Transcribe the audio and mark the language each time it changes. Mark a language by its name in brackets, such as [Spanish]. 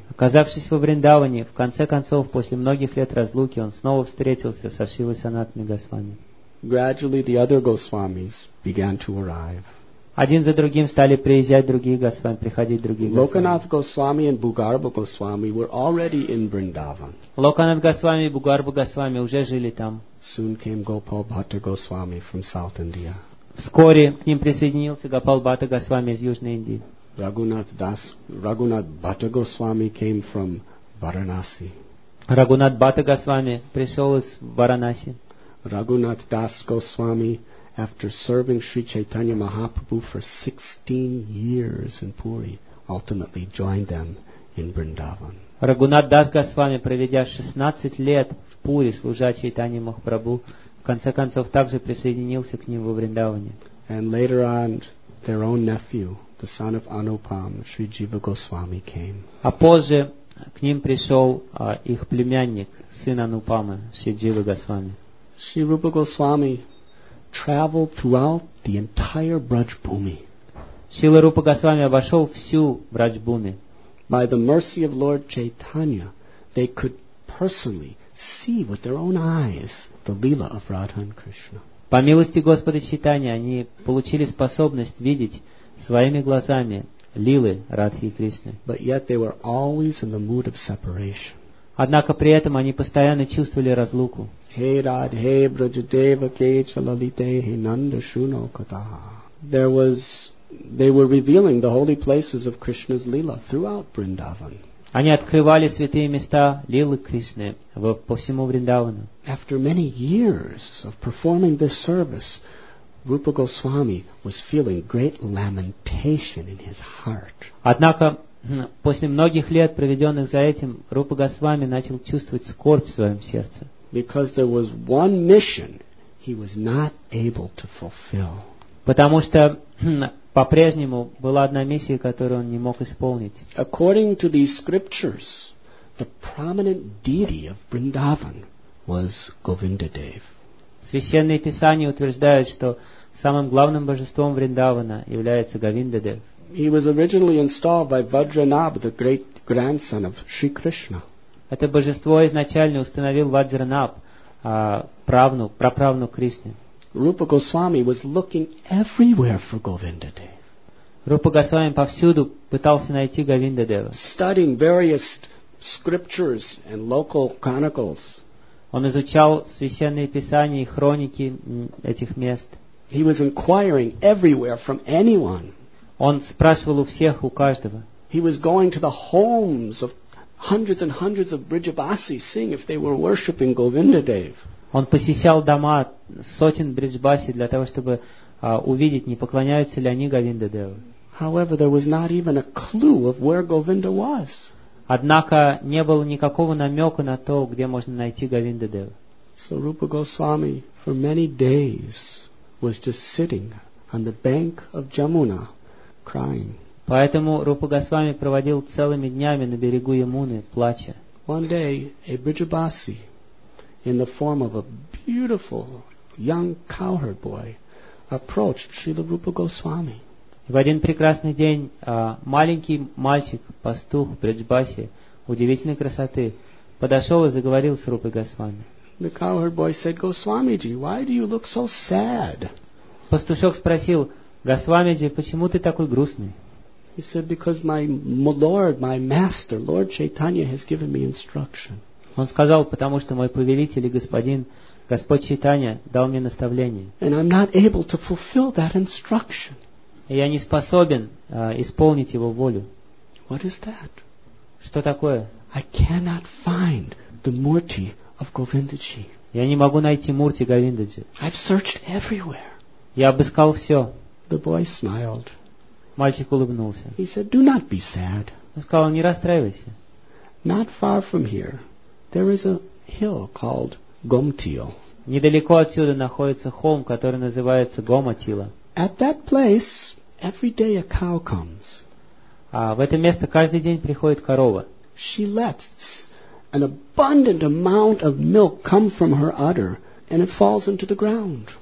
[Russian] Оказавшись во Вриндаване, в конце концов, после многих лет разлуки, он снова встретился со Шрилой Санатаной Госвами. [English] Gradually the other Goswamis began to arrive. [Russian] Один за другим стали приезжать другие Госвами, приходить другие Госвами. [English] Lokanath Goswami and Bhugarbha Goswami were already in Vrindavan. [Russian] Lokanath Goswami и Bhugarbha Goswami уже жили там. [English] Soon came Gopal Bhatta Goswami from South India. [Russian] Вскоре к ним присоединился Гопал Бхатта Госвами из Южной Индии. [English] Raghunath Bhatta Goswami came from Varanasi. [Russian] Raghunath Bhatta Goswami пришел из Варанаси. [English] Raghunath Das Goswami, after serving Sri Chaitanya Mahaprabhu for 16 years in Puri, ultimately joined them in Vrindavan. [Russian] Raghunath Das Goswami, проведя 16 лет в Пури, служа Чайтанья Махапрабху, в конце концов также присоединился к ним во Вриндаване. [English] And later on, their own nephew, the son of Anupam, Sri Jiva Goswami, came. [Russian] А позже к ним пришел их племянник, сын Анупама, Шри Джива Госвами. [English] Sri Rupa Goswami traveled throughout the entire Brajbhumi. [Russian] Sri Rupa Goswami обошел всю Брачбуми. [English] By the mercy of Lord Chaitanya, they could personally see with their own eyes the lila of Radha and Krishna. [Russian] По милости Господа Чайтанья, они получили способность видеть своими глазами лилы Радхи и Кришны. [English] But yet they were always in the mood of separation. [Russian] Однако при этом они постоянно чувствовали разлуку. [Sanskrit] Hey Rad, hey Brajadeva, kecha lalite, hey Nanda, shuno kataha. [English] They were revealing the holy places of Krishna's lila throughout Vrindavan. [Russian] Они открывали святые места лилы Кришны по всему Вриндавану. [English] After many years of performing this service, Rupa Goswami was feeling great lamentation in his heart. [Russian] Однако после многих лет, проведенных за этим, Рупа Госвами начал чувствовать скорбь в своем сердце. [English] Because there was one mission he was not able to fulfill. [Russian] Потому что по-прежнему была одна миссия, которую он не мог исполнить. [English] According to these scriptures, the prominent deity of Vrindavan was Govindadev. [Russian] Священные писания утверждают, что самым главным божеством Вриндавана является Говиндадев. [English] He was originally installed by Vajranab, the great grandson of Sri Krishna. [Russian] Это божество изначально установил Ваджранаб, правнук, праправнук Кришны. [English] Rupa Goswami was looking everywhere for Govindadev. [Russian] Rupa Goswami повсюду пытался найти Говиндадева. [English] Studying various scriptures and local chronicles. [Russian] Он изучал священные писания и хроники этих мест. [English] He was inquiring everywhere from anyone. [Russian] Он спрашивал у всех, у каждого. [English] He was going to the homes of hundreds and hundreds of Brijabasis, seeing if they were worshipping Govindadev. [Russian] Он посещал дома сотен Бриджбаси для того, чтобы увидеть, не поклоняются ли они Говиндадеву. [English] However, there was not even a clue of where Govinda was. [Russian] Однако не было никакого намека на то, где можно найти Говиндадеву. [English] So Rupa Goswami for many days was just sitting on the bank of Jamuna, crying. [Russian] Поэтому Рупа Госвами проводил целыми днями на берегу Ямуны, плача. [English] One day, a Brijabasi, in the form of a beautiful young cowherd boy, approached Srila Rupa Goswami. [Russian] В один прекрасный день маленький мальчик, пастух Бриджбаси, удивительной красоты, подошел и заговорил с Рупой Госвами. [English] The cowherd boy said, Goswamiji, why do you look so sad? [Russian] Пастушок спросил, Госвамиджи, почему ты такой грустный? [English] He said, because my lord, my master, Lord Chaitanya has given me instruction. [Russian] Он сказал, потому что мой повелитель и господин, Господь Чайтанья, дал мне наставление. [English] And I'm not able to fulfill that instruction. [Russian] И я не способен исполнить его волю. [English] What is that? [Russian] Что такое? [English] I cannot find the murti of Govindaji. [Russian] Я не могу найти мурти Говиндаджи. [English] I've searched everywhere. [Russian] Я обыскал все. [English] The boy smiled. [Russian] Мальчик улыбнулся. [English] He said, "Do not be sad." [Russian] Он сказал, не расстраивайся. [English] Not far from here, there is a hill called Gomtil. [Russian] Недалеко отсюда находится холм, который называется Гоматила. [English] At that place, every day a cow comes. [Russian] В это место каждый день приходит корова. [English] She lets an abundant amount of milk come from her udder, and it falls into the ground.